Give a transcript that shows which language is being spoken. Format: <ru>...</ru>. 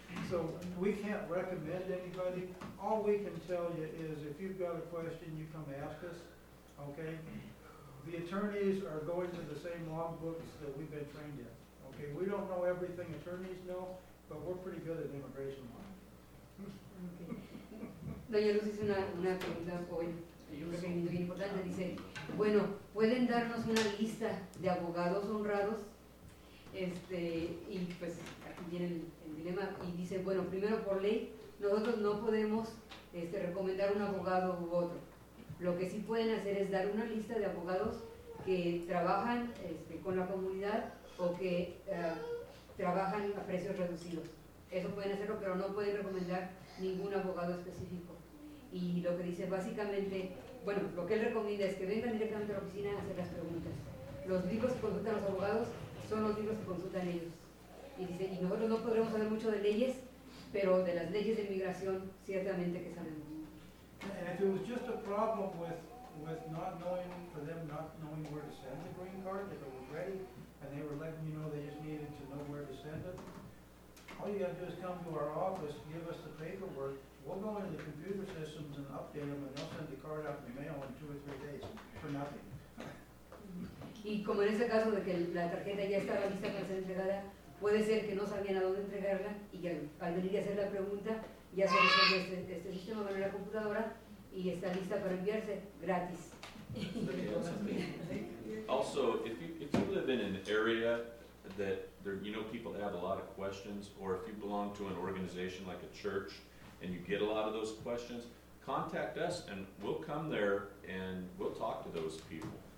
<en>So we can't recommend anybody. All we can tell you is if you've got a question, you come ask us, okay? The attorneys are going to the same law books that we've been trained in. Okay, we don't know everything attorneys know, but we're pretty good at immigration law. Okay.</en> <es>Doña Luz hizo una pregunta hoy, muy importante. Dice, bueno, ¿pueden darnos una lista de abogados honrados? Y pues aquí viene el dilema. Y dice, bueno, primero por ley, nosotros no podemos recomendar un abogado u otro. Lo que sí pueden hacer es dar una lista de abogados que trabajan con la comunidad o que trabajan a precios reducidos. Eso pueden hacerlo, pero no pueden recomendar ningún abogado específico. Y lo que dice básicamente, bueno, lo que él recomienda es que vengan directamente a la oficina a hacer las preguntas. Los libros que consultan los abogados son los libros que consultan ellos. Y dice, y nosotros no podremos saber mucho de leyes, pero de las leyes de inmigración ciertamente que sabemos.</es> <en>And if it was just a problem with not knowing, for them not knowing where to send the green card, if it was ready, and they were letting you know they just needed to know where to send it, all you got to do is come to our office, give us the paperwork, we'll go into the computer systems and update them, and they'll send the card out in the mail in 2 or 3 days for nothing.</en> <es>Y como en ese caso de que la tarjeta ya estaba lista para ser entregada, puede ser que no sabían a dónde entregarla, y al venir a hacer la pregunta, ya se resuelve este sistema en la computadora y está lista para enviarse gratis.</es> <en>Also, if you live in an area that there, you know, people that have a lot of questions, or if you belong to an organization like a church and you get a lot of those questions, contact us and we'll come there and we'll talk to those people.</en>